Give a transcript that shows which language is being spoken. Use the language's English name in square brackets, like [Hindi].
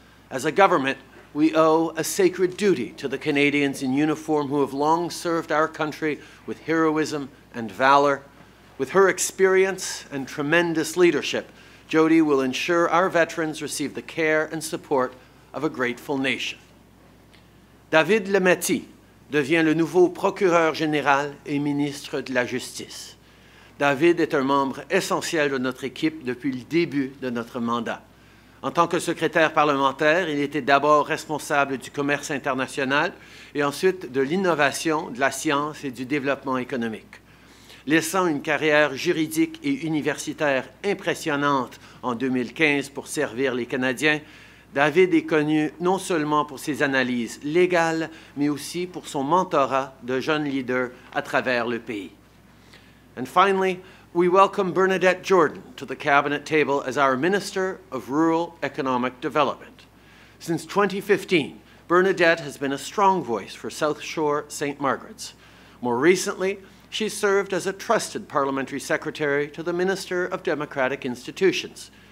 [English] As a government, we owe a sacred duty to the Canadians in uniform who have long served our country with heroism and valour. With her experience and tremendous leadership, Jody will ensure our veterans receive the care and support of a grateful nation. [French] David Lemaitre devient le nouveau procureur général et ministre de la Justice. David est un membre essentiel de notre équipe depuis le début de notre mandat. En tant que secrétaire parlementaire, il était d'abord responsable du commerce international et ensuite de l'innovation, de la science et du développement économique. Laissant une carrière juridique et universitaire impressionnante en 2015 pour servir les Canadiens, David est connu non seulement pour ses analyses légales, mais aussi pour son mentorat de jeunes leaders à travers le pays. [English] And finally, we welcome Bernadette Jordan to the cabinet table as our Minister of Rural Economic Development. Since 2015, Bernadette has been a strong voice for South Shore St. Margaret's. More recently, she served as a trusted parliamentary secretary to the Minister of Democratic Institutions.